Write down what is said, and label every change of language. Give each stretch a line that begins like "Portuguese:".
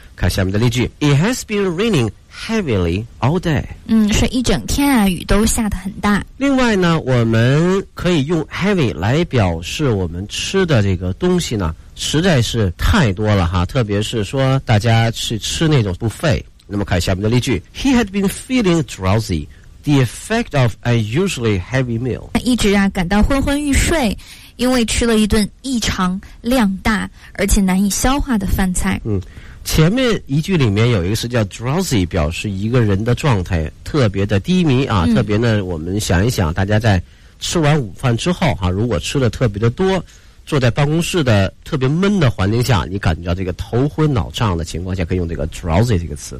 Chinese: 看下面的例句
English: ，It has been raining heavily all day。
Chinese: 嗯，是一整天啊，雨都下得很大。另外呢，我们可以用 heavy 来表示我们吃的这个东西呢，实在是太多了哈。特别是说大家去吃那种buffet。那么看下面的例句
English: ，He had been feeling drowsy, the effect of an unusually heavy meal。
Chinese: 他一直啊感到昏昏欲睡。因为吃了一顿异常量大而且难以消化的饭菜。嗯，前面一句里面有一个词叫 drowsy， 表示一个人的状态特别的低迷啊、特别呢，我们想一想，大家在吃完午饭之后哈、如果吃的特别的多，坐在办公室的特别闷的环境下，你感觉到这个头昏脑胀的情况下，可以用这个 drowsy 这个词。